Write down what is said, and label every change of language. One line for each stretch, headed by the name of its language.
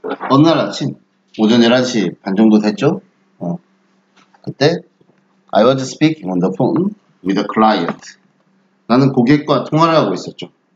Korean: 어느 날 아침, 오전 11시 반 정도 됐죠? 그때,
English: I was speaking on the phone with a client.
Korean: 나는 고객과 통화를 하고 있었죠.